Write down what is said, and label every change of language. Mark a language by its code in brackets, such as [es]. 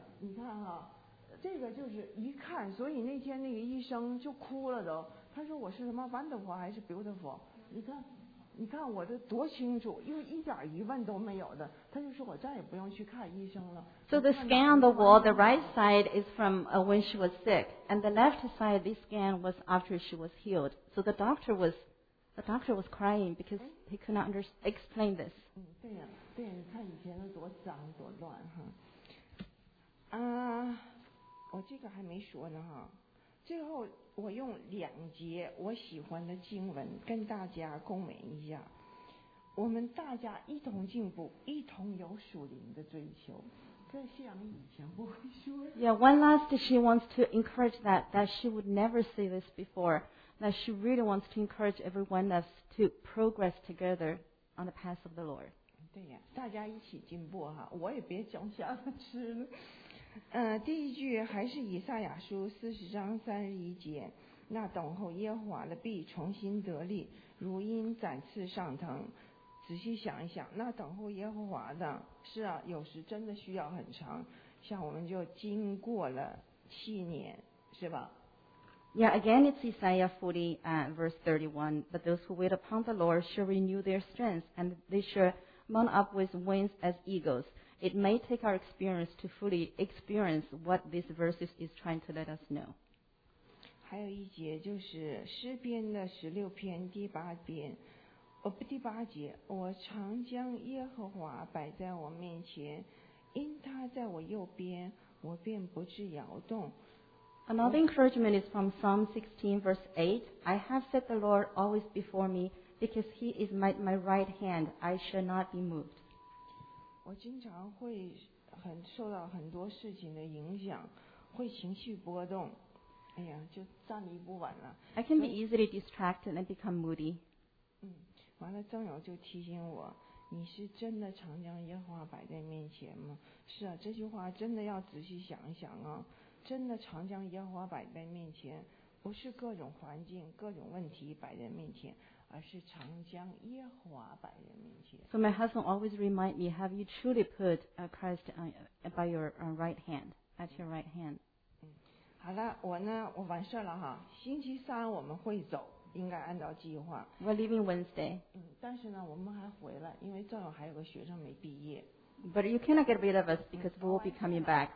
[zh] 你看哈，这个就是一看，所以那天那个医生就哭了都。他说我是什么 wonderful 还是 beautiful？你看我的多清楚，因为一点疑问都没有的，他就说我再也不用去看医生了。 [en] So the scan on the wall, the right side is from when she was sick, and the left side, this scan was after she was healed. So the doctor was crying because he could not explain this. [zh] 对呀，你看以前的多脏多乱哈。我这个还没说呢哈。最后我用2节我喜欢的经文跟大家共勉一下，我们大家一同进步，一同有属灵的追求。这谢阳以前不会说。 [en] Yeah, one last she wants to encourage that she would never say this before, that she really wants to encourage every one of us to progress together on the path of the Lord. [zh] 对呀，大家一起进步哈，我也别讲瞎吃了。第一句还是以赛亚书40章31节，那等候耶和华的必重新得力，如鹰展翅上腾。仔细想一想，那等候耶和华的，是啊，有时真的需要很长，像我们就经过了7年，是吧？ [en] Yeah, again it's Isaiah 40:31, but those who wait upon the Lord shall renew their strength, and they shall mount up with wings as eagles. It may take our experience to fully experience what this verse is trying to let us know. [zh] 还有一节就是诗篇的16篇第八节，我常将耶和华摆在我面前，因他在我右边，我便不致摇动。 [en] Another encouragement is from Psalm 16:8. I have set the Lord always before me, because he is my right hand, I shall not be moved. [zh] 我经常会很受到很多事情的影响，会情绪波动，哎呀，就站立不稳了。 [en] I can be easily distracted and become moody. [zh] 完了，曾友就提醒我，你是真的常将耶和华摆在面前吗？是啊，这句话真的要仔细想一想啊，真的常将耶和华摆在面前，不是各种环境各种问题摆在面前，而是常将耶和华摆在面前。 [en] So my husband always remind me, have you truly put Christ by your right hand, at your right hand? [zh] 好了，我呢，我完事了哈。星期三我们会走，应该按照计划。 [en] We're leaving Wednesday. [zh] 但是呢，我们还回来，因为正好还有个学生没毕业。 [en] But you cannot get rid of us because we will be coming back.